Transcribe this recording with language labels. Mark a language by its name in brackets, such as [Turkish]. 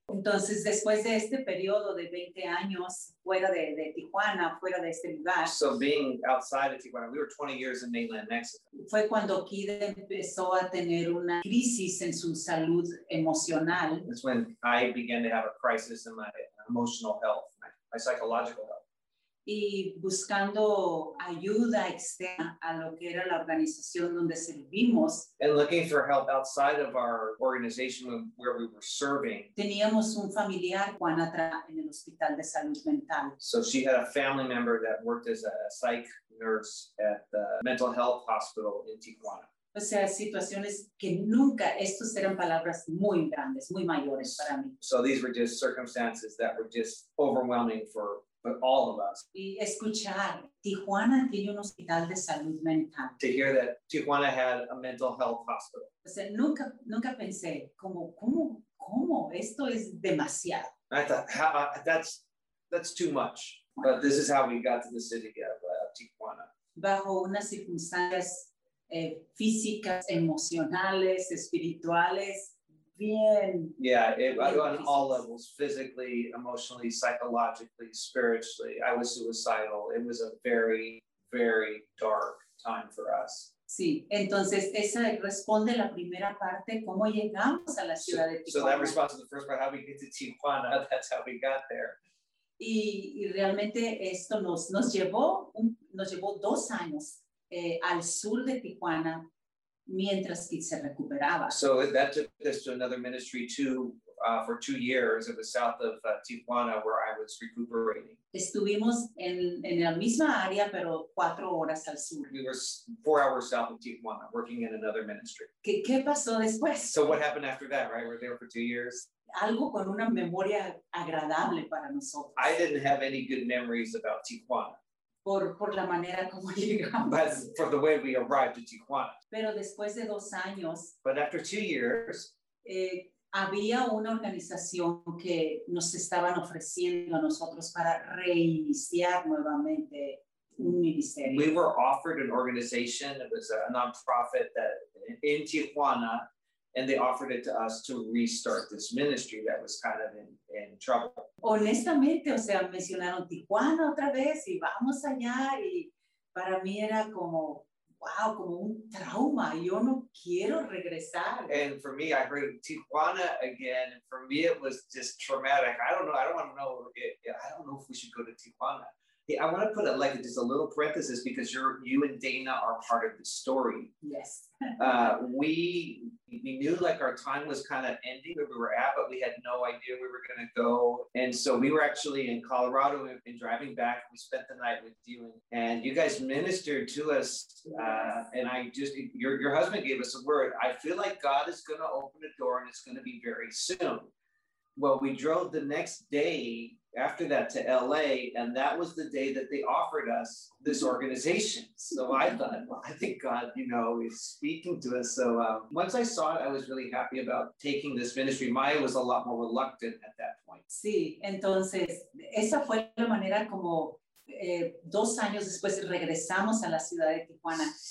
[Spanish] Entonces, después de este periodo de 20 años fuera de Tijuana, fuera de este lugar. [English] So being outside of Tijuana, we were 20 years in mainland Mexico. [Spanish] Fue cuando Kid empezó a tener una crisis en su salud emocional. [English] That's when I began to have a crisis in my emotional health, my psychological health. [Spanish] Y buscando ayuda externa a lo que era la organización donde servimos. [English] And looking for help outside of our organization where we were serving. [Spanish] Teníamos un familiar, Juana, en el hospital de salud mental. [English] So she had a family member that worked as a psych nurse at the mental health hospital in Tijuana. [Spanish] O sea, situaciones que nunca, estos eran palabras muy grandes, muy mayores para mí. [English] So these were just circumstances that were just overwhelming for all of us. [Spanish] Y escuchar, Tijuana tiene un hospital de salud mental. [English] To hear that Tijuana had a mental health hospital. [Spanish] O sea, nunca pensé, ¿cómo? Esto es demasiado. [English] I thought, that's that's too much. But this is how we got to the city of Tijuana. [Spanish] Bajo unas circunstancias físicas, emocionales, espirituales, bien. [English] Yeah, on all levels, physically, emotionally, psychologically, spiritually. I was suicidal. It was a very, very dark time for us. [Spanish] Sí, entonces esa responde la primera parte, ¿cómo llegamos a la ciudad de Tijuana? [English] So that responds to the first part, how we get to Tijuana, that's how we got there. [Spanish] Y realmente esto nos llevó 2 años al sur de Tijuana mientras que se recuperaba. [English] So that took us to another ministry too, for 2 years. It was south of Tijuana where I was recuperating. [Spanish] Estuvimos en la misma área, pero 4 horas al sur. [English] We were 4 hours south of Tijuana working in another ministry. [Spanish] ¿Qué pasó después? [English] So what happened after that, right? We're there for 2 years. [Spanish] Algo con una memoria agradable para nosotros. [English] I didn't have any good memories about Tijuana. [Spanish] Por la manera como llegamos. [English] But for the way we arrived at Tijuana. [Spanish] Pero después de 2 años. [English] But after 2 years. [Spanish] Había una organización que nos estaban ofreciendo a nosotros para reiniciar nuevamente un ministerio. [English] We were offered an organization. It was a non-profit that in Tijuana. And they offered it to us to restart this ministry that was kind of in trouble. [Spanish] Honestamente, o sea, mencionaron Tijuana otra vez y vamos allá. Y para mí era como, wow, como un trauma. Yo no quiero regresar. [English] And for me, I heard Tijuana again. And for me, it was just traumatic. I don't know. I don't want to know. I don't know if we should go to Tijuana. Hey, I want to put it like just a little parenthesis because you and Dana are part of the story. Yes. we knew like our time was kind of ending where we were at, but we had no idea we were going to go. And so we were actually in Colorado and driving back. We spent the night with you and you guys ministered to us. Yes. And I just, your husband gave us a word. I feel like God is going to open a door and it's going to be very soon. Well, we drove the next day after that to LA, and that was the day that they offered us this organization. So I thought, well, I think God, you know, is speaking to us. So once I saw it, I was really happy about taking this ministry. Maya was a lot more reluctant at that point. [Spanish] Sí, entonces, esa fue la manera como 2 años después regresamos a la ciudad de Tijuana.